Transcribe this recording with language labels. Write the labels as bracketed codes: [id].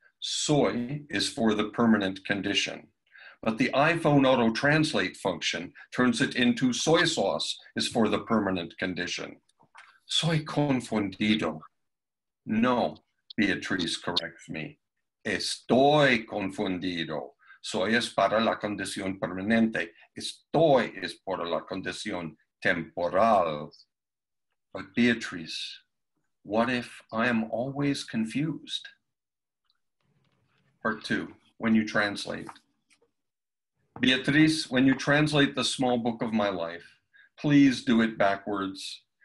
[en] Soy is for the permanent condition, but the iPhone auto translate function turns it into soy sauce is for the permanent condition. [es] Soy confundido. [en] No, Beatrice corrects me. [es] Estoy confundido. Soy es para la condición permanente. Estoy es para la condición temporal. [en] But Beatrice, what if I am always confused? Part two, when you translate. Beatrice, when you translate the small book of my life, please do it backwards.